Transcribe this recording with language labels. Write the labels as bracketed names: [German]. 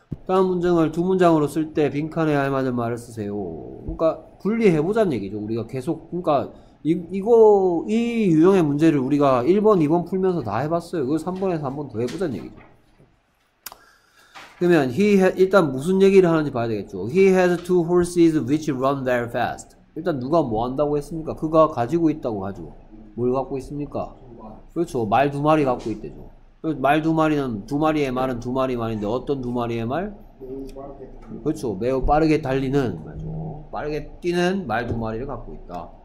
[Korean] 다음 문장을 두 문장으로 쓸때 빈칸에 알맞은 말을 쓰세요. 그러니까 분리해 보자는 얘기죠. 우리가 계속 그러니까 이 유형의 문제를 우리가 1번, 2번 풀면서 다 해봤어요. 그걸 3번에서 한번더 해보자는 얘기죠. 그러면 일단 무슨 얘기를 하는지 봐야 되겠죠. [English] He has two horses which run very fast. [Korean] 일단 누가 뭐 한다고 했습니까? 그가 가지고 있다고 하죠. 뭘 갖고 있습니까? 그렇죠. 말 두 마리 갖고 있대죠. 말 두 마리는 두 마리의 말은 두 마리 말인데 어떤 두 마리의 말? 그렇죠. 매우 빠르게 달리는 맞죠. 빠르게 뛰는 말 두 마리를 갖고 있다.